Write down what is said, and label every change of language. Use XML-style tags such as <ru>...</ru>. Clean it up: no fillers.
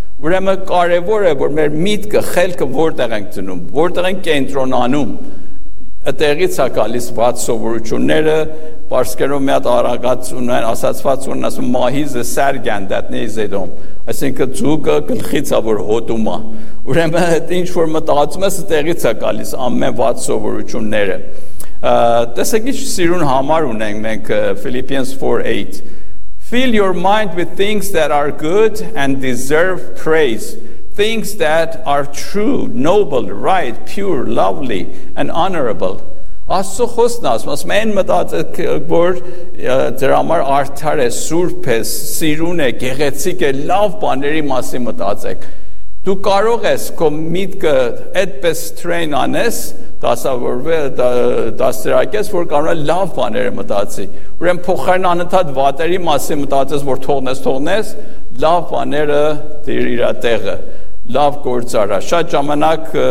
<hy>Ուրեմն կարևոր է, որ մեր միտքը, խելքը որտեղ ենք դնում, որտեղ ենք կենտրոնանում, այդտեղից է գալիս բաց սովորությունները, պարսկերով մի հատ արագած ունեն, ասացված ունեն, ասում</hy> <fa>մահիզը սերգեն, դատնի զեդում,</fa> <hy>այսինքն ձուկը գլխից է, որ հոտում է, ուրեմն այդ ինչ որ մտածում ես, այդտեղից է գալիս ամեն բաց սովորությունները. Տեսեք ինչ սիրուն համար ունենք մենք, Philippians 4:8.</hy> <en>Fill your mind with things that are good and deserve praise, things that are true, noble, right, pure, lovely, and honorable.</en> <hy>Աստծո խոսքն ասում, ասում է, այն մտածեք, որ ձեր համար արդար է, սուրբ է, սիրուն է, գեղեցիկ է, լավ բաների մասին մտածեք. Դու կարող ես քո միտքը այդպես տրեյն անես, դասավորվես, որ կարող է լավ բաները մտածի։ Ուրեմն փոխարեն անընդհատ վատերի մասին մտածես, որ թողնես, լավ բաները դեր իրա տեղը, լավ գործ արա։ Շատ ժամանակ</hy>